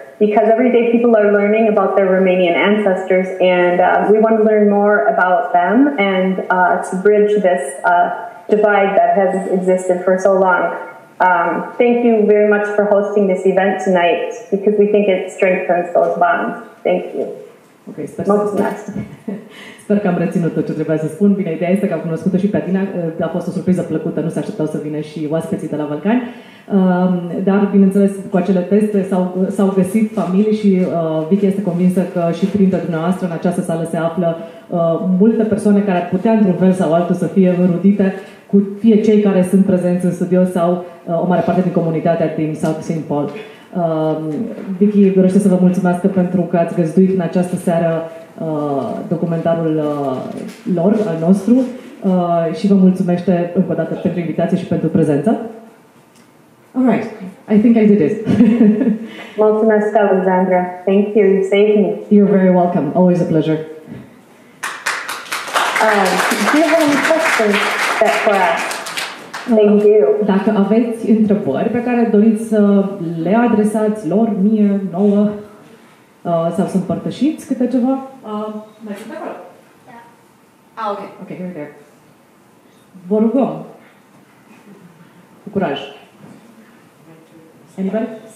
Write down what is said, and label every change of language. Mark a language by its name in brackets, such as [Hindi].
[English] Because every day people are learning about their Romanian ancestors, and we want to learn more about them and to bridge this divide that has existed for so long. Thank you very much for hosting this event tonight, because we think it strengthens those bonds. Thank you. [Romanian] Okay, sper că am reținut tot ce trebuia să spun. Bine, ideea este că am cunoscut-o și pe Adina. A fost o surpriză plăcută, nu se așteptau să vină și oaspeții de la Balcani. Dar, bineînțeles, cu acele teste s-au găsit familii și Vicky este convinsă că și printre dumneavoastră în această sală se află multe persoane care ar putea, într-un fel sau altul, să fie înrudite cu fie cei care sunt prezenți în studio sau o mare parte din comunitatea din South St. Paul. Vicky, dorește să vă mulțumesc pentru că ați găzduit în această seară documentarul lor, al nostru, și vă mulțumește încă o dată pentru invitație și pentru prezență. [English] All right, I think I did it. [Romanian] Mulțumesc, [English] Alexandra. Thank you. You saved me. You're very welcome. Always a pleasure. Do you have any questions that for us? Thank you. [Romanian] Dacă aveți întrebări pe care doriți să le adresați lor, mie, nouă, sau să împărtășiți câte ceva? Mai sunt acolo? Da. [English] Ah, ok. Ok, here we go. [Romanian] Vă rugăm. Cu curaj. [English] Anybody?